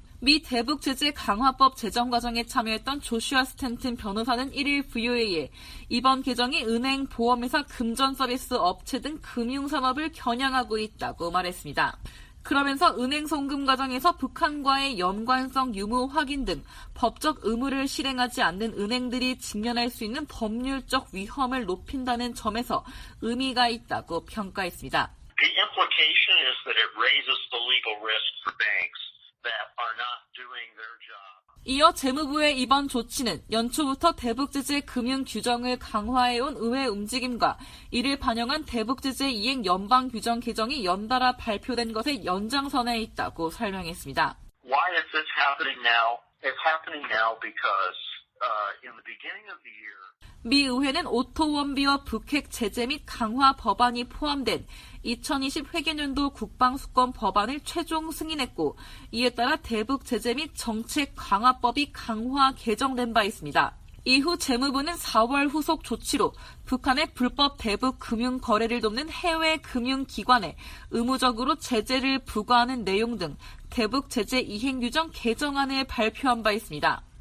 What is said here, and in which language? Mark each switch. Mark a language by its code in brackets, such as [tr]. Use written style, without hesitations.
[ko] 미 대북 제재 강화법 제정 과정에 참여했던 조슈아 스탠튼 변호사는 1일 VOA에 이번 개정이 은행, 보험회사, 금전 서비스 업체 등 금융산업을 겨냥하고 있다고 말했습니다. 그러면서 은행 송금 과정에서 북한과의 연관성 유무 확인 등 법적 의무를 실행하지 않는 은행들이 직면할 수 있는 법률적 위험을 높인다는 점에서 의미가 있다고 평가했습니다. [en] The implication is that it raises the legal risk for banks that are not doing their job. [ko] 이어 재무부의 이번 조치는 연초부터 대북제재 금융 규정을 강화해온 의회 움직임과 이를 반영한 대북제재 이행 연방 규정 개정이 연달아 발표된 것의 연장선에 있다고 설명했습니다. [en] Why is this happening now? It's happening now because in the beginning of the year, [ko] 미 의회는 오토원비어 북핵 제재 및 강화 법안이 포함된 2020 회계연도 국방수권 법안을 최종 승인했고 이에 따라 대북 제재 및 정책 강화법이 강화 개정된 바 있습니다. 이후 재무부는 4월 후속 조치로 북한의 불법 대북 금융 거래를 돕는 해외 금융기관에 의무적으로 제재를 부과하는 내용 등 대북 제재 이행 규정 개정안을 발표한 바 있습니다.